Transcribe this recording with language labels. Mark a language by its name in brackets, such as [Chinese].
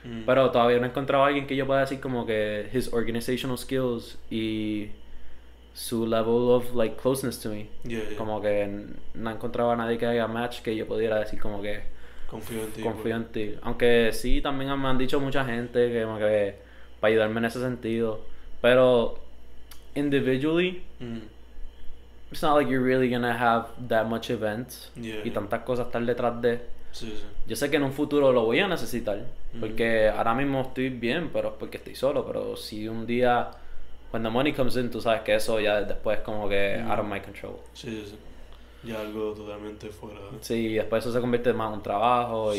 [Spanish] Pero todavía no he encontrado a alguien que yo pueda decir como que [English] his organizational skills [Spanish] y su [English] level of like closeness to me. [Spanish] Como que no he encontrado a nadie que haga match que yo pudiera decir como que Confío en ti, pues. confío en ti. Aunque sí, también me han dicho mucha gente que como que para ayudarme en ese sentido. [English] Pero individually, it's not like you're really gonna have that much events [Spanish] y tantas cosas estar detrás de. Yo sé que en un futuro lo voy a necesitar. Porque ahora mismo estoy bien, pero es porque estoy solo. Pero si un día, [English] When the money comes in, [Spanish] tú sabes que eso ya después es como que [English] out of my control. [Spanish] Sí. Ya algo totalmente fuera de. Sí, después eso se convierte más en un trabajo y